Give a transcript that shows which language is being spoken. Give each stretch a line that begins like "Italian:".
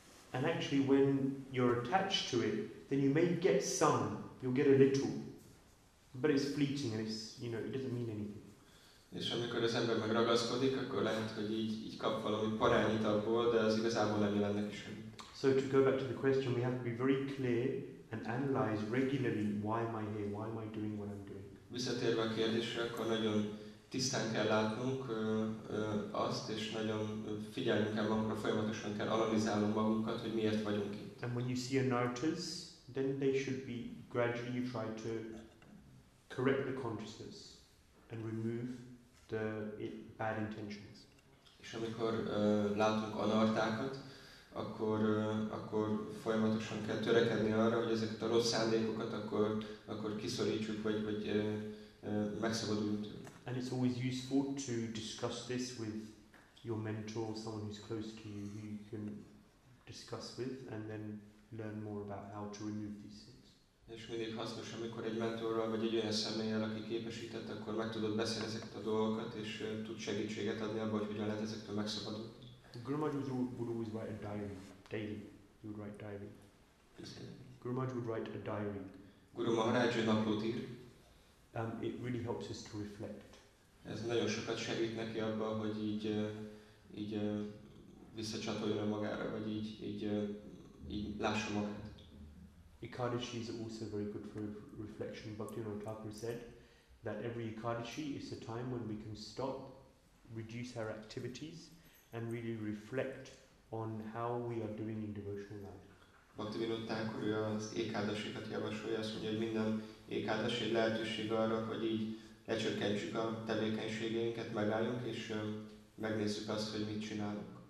English: And actually when you're attached to it, then you may get some, you'll get a little, but it's fleeting and it's, you know, it doesn't mean anything.
Hungarian: És amikor az ember meg ragaszkodik, akkor lehet, hogy így kap valami parányit abból, de az igazából nem jelennek is.
English: So to go back to the question, we have to be very clear and analyze regularly why am I here, why am I doing what I'm doing.
Hungarian: Visszatérve a kérdésre, akkor nagyon tisztán kell látnunk azt, és nagyon figyelnünk kell magunkra, folyamatosan kell analizálnunk magunkat, hogy miért vagyunk itt.
English: And when you see anarthas, then they should be gradually you try to correct the consciousness and remove the bad intentions.
Hungarian: És amikor látunk anarthákat, akkor folyamatosan kell törekedni arra, hogy ezeket a rossz szándékokat akkor kiszorítsuk, vagy megszabaduljunk tőle.
English: And it's always useful to discuss this with your mentor, someone who's close to you, who you can discuss with, and then learn more about how to remove these things.
Hungarian: És mindig hasznos, amikor egy mentorral, vagy egy olyan személlyel, aki képesített, akkor meg tudod beszélni ezeket a dolgokat, és tud segítséget adni abba, hogy hogyan lehet ezektől megszabadulni.
English: Guru Maharaj would always write a diary, daily. He would write diary. Guru Maharaj would write a diary.
Hungarian: Guru Maharaj naplót ír.
English: It really helps us to reflect.
Hungarian: Ez nagyon sokat segít neki abba, hogy így visszacsatoljon magára, vagy így lássa magát.
English: Ekadashi is also very good for reflection. Bhaktivinoda Thakur said that every Ekadashi is a time when we can stop, reduce our activities, and really reflect on how we are doing in devotional life.
Hungarian: Bhaktivinoda Thakur az ékádasikat javasolja, azt mondja, hogy minden ékádasi lehetőség arra, hogy így lecsökkentsük a tevékenységeinket, megálljunk és megnézzük azt, hogy mit csinálunk.